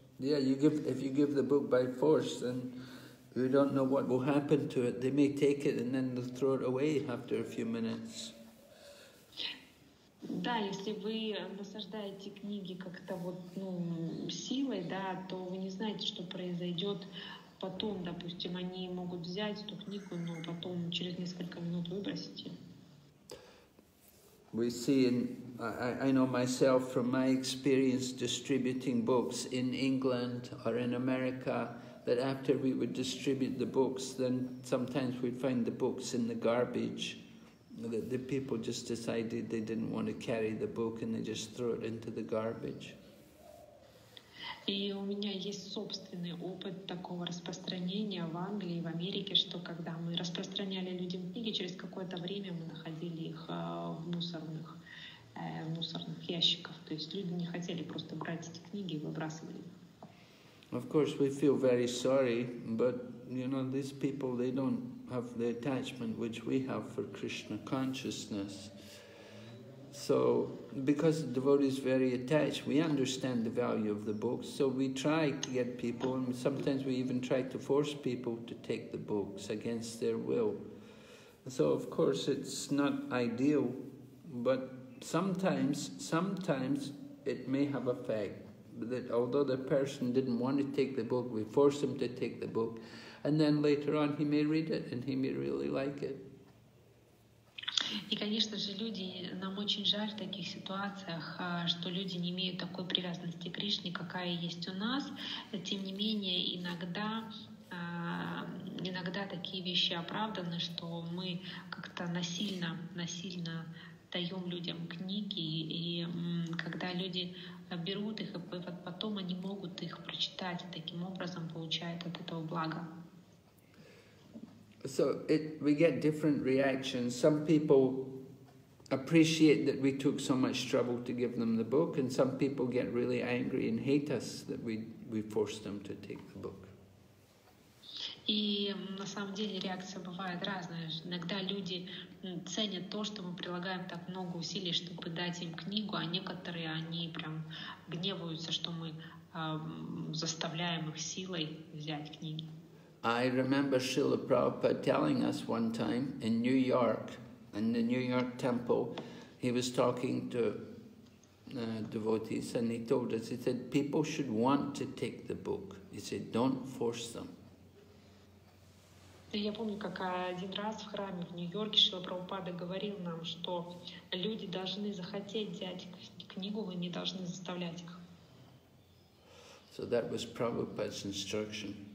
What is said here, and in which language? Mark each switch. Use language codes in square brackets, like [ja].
[en] Yeah, if you give the book by force, then you don't know what will happen to it. They may take it and then they'll throw it away after a few minutes. [ru] Да, если вы насаждаете книги как-то вот, ну, силой, да, то вы не знаете, что произойдет потом. Допустим, они могут взять эту книгу, но потом через несколько минут выбросить ее. [en] We see, I know myself from my experience distributing books in England or in America, that after we would distribute the books, then sometimes we'd find the books in the garbage. The people just decided they didn't want to carry the book and they just threw it into the garbage. [ru] И у меня есть собственный опыт такого распространения в Англии, в Америке, что когда мы распространяли людям книги, через какое-то время мы находили их в мусорных ящиках. То есть люди не хотели просто брать эти книги и выбрасывали их. [en] Of course, we feel very sorry, but, you know, these people, they don't have the attachment which we have for Krishna consciousness. So, because the devotee is very attached, we understand the value of the books, so we try to get people, and sometimes we even try to force people to take the books against their will. So, of course, it's not ideal, but sometimes it may have effect. That although the person didn't want to take the book, we force him to take the book, and then later on he may read it and he may really like it. [ru] И, конечно же, люди, нам очень жаль в таких ситуациях, что люди не имеют такой привязанности к Кришне, какая есть у нас. Тем не менее, иногда такие вещи оправданы, что мы как-то насильно даем людям книги, и когда люди берут их, и потом они могут их прочитать, и таким образом получают от этого благо. [en] So we get different reactions. Some people appreciate that we took so much trouble to give them the book, and some people get really angry and hate us that we forced them to take the book. [ru] И на самом деле реакция бывает разная. Иногда люди ценят то, что мы прилагаем так много усилий, чтобы дать им книгу, а некоторые, они прям гневаются, что мы заставляем их силой взять книги. [en] I remember Srila Prabhupada telling us one time in New York in the New York temple, he was talking to devotees, and he told us, he said, people should want to take the book. He said, don't force them. [ru] Я помню, как один раз в храме в Нью-Йорке Шрила Прабхупада говорил нам, что люди должны захотеть взять книгу, вы не должны заставлять их. [en] So that was Prabhupada's instruction.